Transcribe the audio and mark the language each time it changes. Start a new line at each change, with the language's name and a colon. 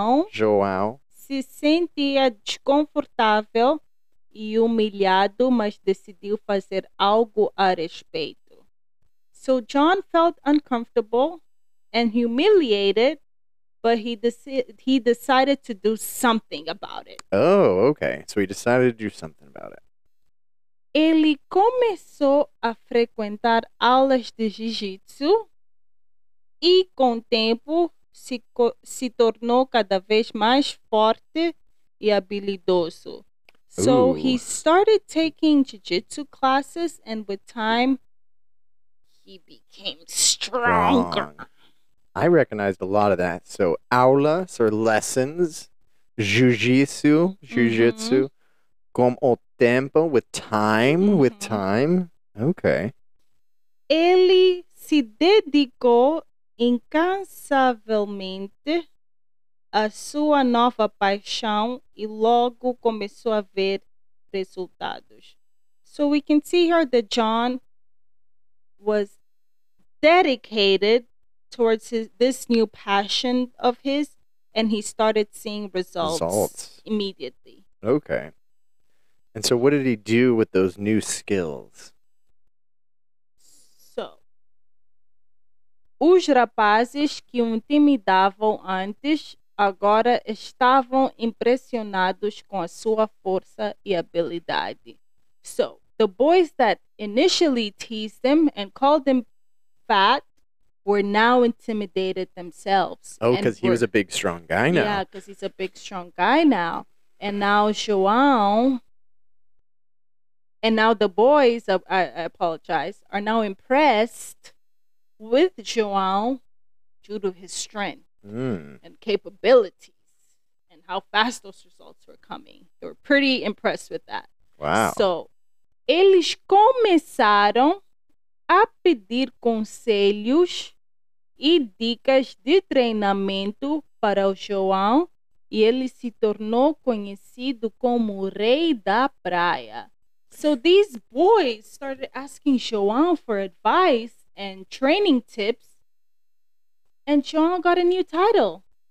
Portuguese: João se sentia desconfortável e humilhado, mas decidiu fazer algo a respeito.
English: So John felt uncomfortable and humiliated, but he decided to do something about it. Oh, okay. So he decided to do something about it.
Portuguese: Ele começou a frequentar aulas de jiu-jitsu e, com o tempo, se tornou cada vez mais forte e habilidoso.
English: So, ooh, he started taking jiu-jitsu classes, and with time, he became stronger. Strong. I recognized a lot of that. So, aulas or lessons, jiu-jitsu,
Portuguese: com o tempo,
English: with time. Okay.
Portuguese: Ele se dedicou incansavelmente a sua nova paixão e logo começou a ver resultados.
English: So we can see here that John was dedicated towards this new passion of his and he started seeing results immediately. Okay. And so what did he do with those new skills?
Portuguese: So, os rapazes que o intimidavam antes agora estavam impressionados com a sua força e habilidade.
English: So, the boys that initially teased him and called him fat were now intimidated themselves. Oh, because he was a big, strong guy now. Yeah, because he's a big, strong guy now. And now João... And now the boys, I apologize, are now impressed with João due to his strength. And capabilities and how fast those results were coming. They were pretty impressed with that. Wow.
Portuguese: So, eles começaram a pedir conselhos e dicas de treinamento para o João e ele se tornou conhecido como o Rei da Praia.
English: So, these boys started asking João for advice and training tips. And John got a new title.